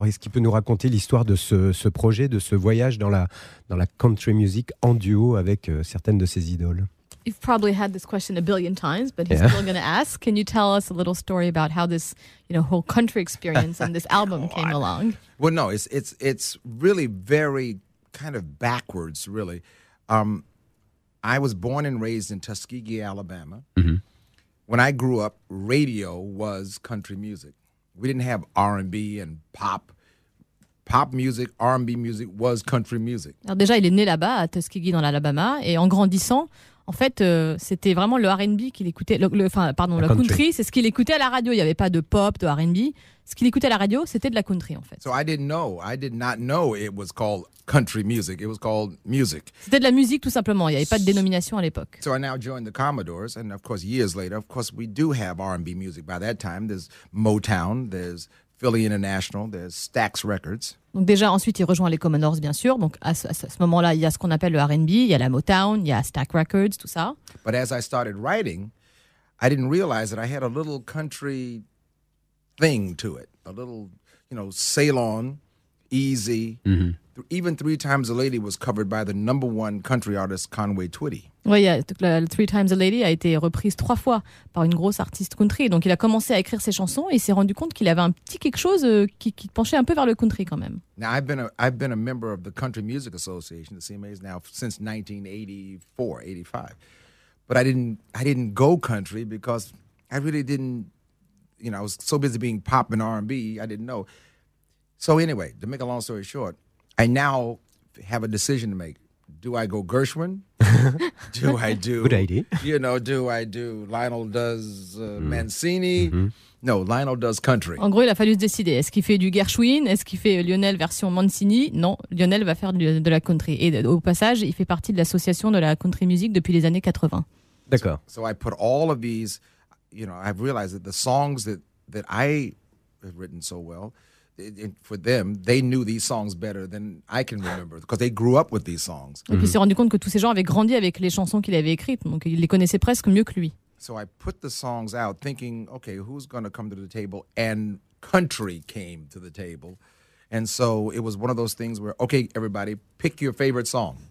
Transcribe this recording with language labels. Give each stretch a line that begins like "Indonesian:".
French: Est-ce qu'il peut nous raconter l'histoire de ce projet, de ce voyage dans la country music en duo avec certaines de ses idoles?
English: You've probably had this question a billion times, but he's still going to ask. Can you tell us a little story about how this, you know, whole country experience and this album came along? Well, no, it's really very kind of backwards, really. I was born and raised in Tuskegee, Alabama. Mm-hmm. When I grew up, radio was country music. We didn't have R&B and pop. Pop music, R&B music was country music.
French: Alors déjà, il est né là-bas, à Tuskegee, dans l'Alabama. Et en grandissant, en fait, c'était vraiment le R&B qu'il écoutait. Le country, c'est ce qu'il écoutait à la radio. Il n'y avait pas de pop, de R&B. Ce qu'il écoutait à la radio, c'était de la country, en fait.
English: So I didn't know. I did not know it was called country music. It was called music.
French: C'était de la musique, tout simplement. Il n'y avait pas de dénomination à l'époque.
English: So I now joined the Commodores. And of course, years later, of course, we do have R&B music. By that time, there's Motown, there's Philly International, there's Stax Records.
French: Donc déjà, ensuite, il rejoint les Commodores, bien sûr. Donc à ce moment-là, il y a ce qu'on appelle le R&B, il y a la Motown, il y a Stax Records, tout ça.
English: But as I started writing, I didn't realize that I had a little country thing to it. A little, you know, Ceylon, easy. Mm-hmm. Even Three Times a Lady was covered by the number one country artist, Conway Twitty.
French: Oui, Three Times a Lady a été reprise trois fois par une grosse artiste country. Donc, il a commencé à écrire ses chansons et il s'est rendu compte qu'il avait un petit quelque chose qui penchait un peu vers le country quand même.
English: Now, I've been a member of the Country Music Association, the CMA's, now since 1984, 85. But I didn't go country because I really didn't, you know, I was so busy being pop and R&B, I didn't know. So anyway, to make a long story short, I now have a decision to make. Do I go Gershwin? Good idea. You know, do I do Lionel does Mancini? Mm-hmm. No, Lionel does country.
French: En gros, il a fallu se décider. Est-ce qu'il fait du Gershwin? Est-ce qu'il fait Lionel version Mancini? Non, Lionel va faire de la country. Et au passage, il fait partie de l'association de la country music depuis les années 80. D'accord.
English: So I put all of these, you know, I've realized that the songs that I have written so well, for them, they knew these songs better than I can remember because they grew up with these songs.
French: Et puis il s'est rendu compte que tous ces gens avaient grandi avec les chansons qu'il avait écrites, donc il les connaissait presque mieux que lui.
English: So I put the songs out thinking, okay, who's going to come to the table? And country came to the table. And so it was one of those things where, okay, everybody, pick your favorite song.